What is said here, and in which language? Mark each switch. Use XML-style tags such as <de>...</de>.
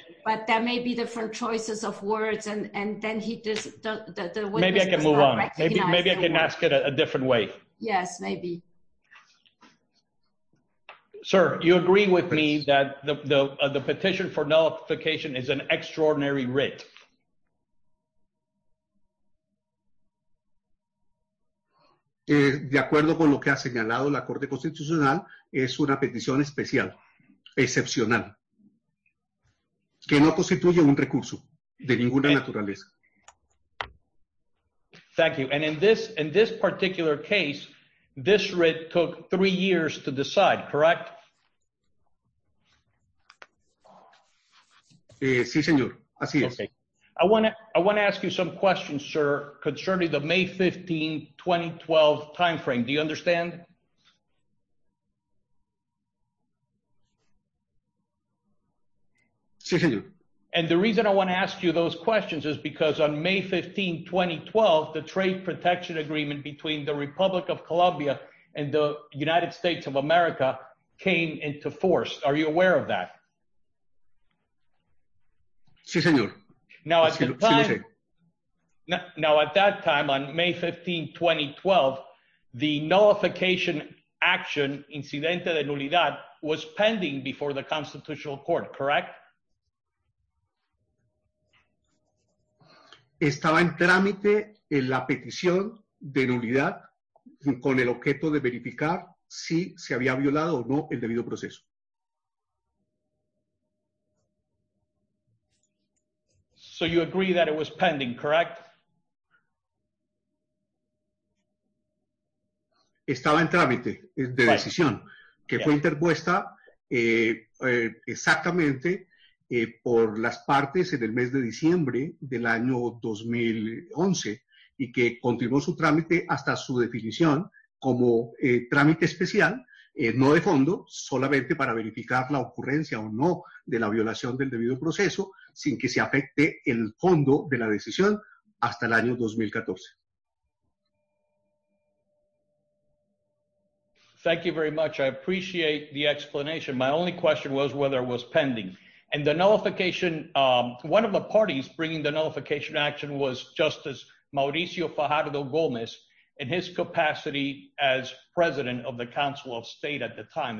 <en>But there may be different choices of words, and then he does the witness. Maybe I can move on. Maybe I can ask it a different way. Yes, maybe. Sir, you agree with me that the petition for nullification is an extraordinary writ?</en> <es>De acuerdo con lo que ha señalado la Corte Constitucional, es una petición especial, excepcional, que no constituye un recurso de ninguna naturaleza.</es> <en>Thank you. And in this particular case, this writ took 3 years to decide, correct?</en> <es>Sí, señor. Así es. Okay.</es> <en>I want to ask you some questions, sir, concerning the May 15, 2012 timeframe. Do you understand?</en> <es>Sí, señor.</es> <en>And the reason I want to ask you those questions is because on May 15, 2012, the trade protection agreement between the Republic of Colombia and the United States of America came into force. Are you aware of that?</en> <es>Sí, señor.</es> <en>Now, at that time, on May 15, 2012, the nullification action,</en> <es>incidente de nulidad,</es> <en>was pending before the Constitutional Court, correct?</en> <es>Estaba en trámite en la petición de nulidad con el objeto de verificar si se había violado o no el debido proceso.</es> <en>So you agree that it was pending, correct?</en> <es>Estaba en trámite de decisión, que fue interpuesta exactamente por las partes en el mes de diciembre del año 2011 y que continuó su trámite hasta su definición como trámite especial, no de fondo, solamente para verificar la ocurrencia o no de la violación del debido proceso, sin que se afecte el fondo de la decisión hasta el año 2014.</es> <en>Thank you very much. I appreciate the explanation. My only question was whether it was pending. And the nullification, one of the parties bringing the nullification action was Justice Mauricio Fajardo Gomez in his capacity as president of the Council of State at the time.</en>